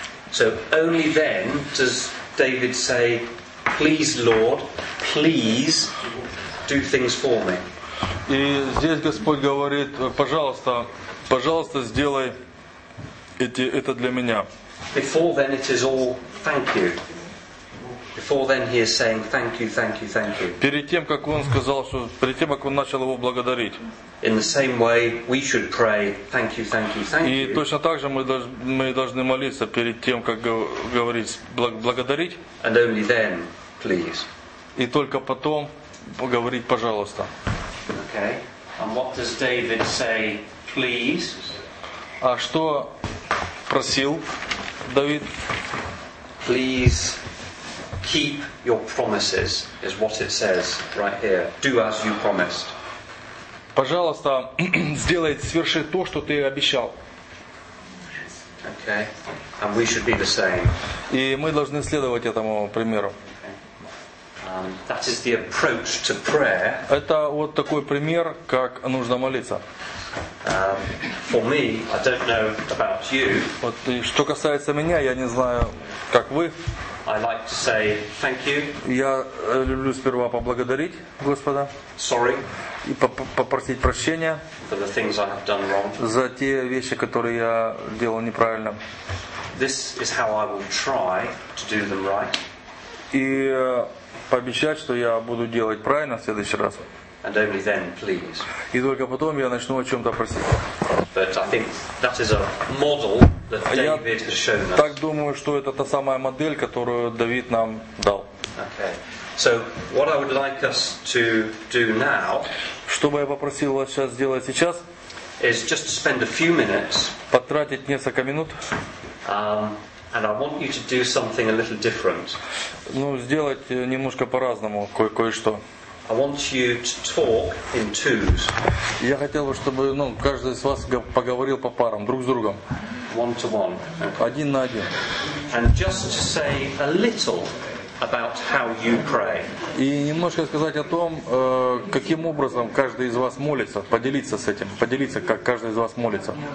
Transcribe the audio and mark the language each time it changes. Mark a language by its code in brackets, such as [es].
[en] So only then does David say, "Please, Lord, please do things for me." [ru] И здесь Господь говорит, пожалуйста, пожалуйста, сделай это для меня. [en] Before then it is all thank you. Before then he is saying thank you, thank you, thank you. [ru] Перед тем, как он сказал, что перед тем, как он начал его благодарить. [en] In the same way we should pray thank you, thank you, thank you. [ru] И точно так же мы должны молиться перед тем, как говорить благодарить. [en] And only then, please. [ru] И только потом поговорить, пожалуйста. [en] Okay. And what does David say, please? [ru] А что просил Давид? [en] Please keep your promises, is what it says right here. Do as you promised. [ru] Пожалуйста, сделай, сверши то, что ты обещал. [en] Okay. And we should be the same. [ru] И мы должны следовать этому примеру. [en] That is the approach to prayer. [ru] Это вот такой пример, как нужно молиться. [en] For me, I don't know about you. [ru] Вот и что касается меня, я не знаю, как вы. [en] I like to say thank you. [ru] Я люблю сперва поблагодарить Господа. [en] Sorry. [ru] И попросить прощения. [en] For the things I have done wrong. [ru] За те вещи, которые я делал неправильно. [en] This is how I will try to do them right. [ru] И пообещать, что я буду делать правильно в следующий раз. [en] And only then, please. [ru] И только потом я начну о чем-то просить. [en] But I think that is a model that David has shown us. [ru] Я так думаю, что это та самая модель, которую Давид нам дал. [en] Okay. So what I would like us to do now. [ru] Что бы я попросил вас сейчас сделать сейчас? [en] Is just to spend a few minutes. [ru] Потратить несколько минут. [en] And I want you to do something a little different. [ru] Ну, сделать немножко по-разному кое-что. [en] I want you to talk in twos. [ru] Я хотел бы, чтобы, ну, каждый из вас поговорил по парам, друг с другом. [en] One to one. [ru] Okay. Один на один. [en] And just to say a little about how you pray. [ru] И немножко сказать о том, каким образом каждый из вас молится, поделиться с этим, поделиться, как каждый из вас молится.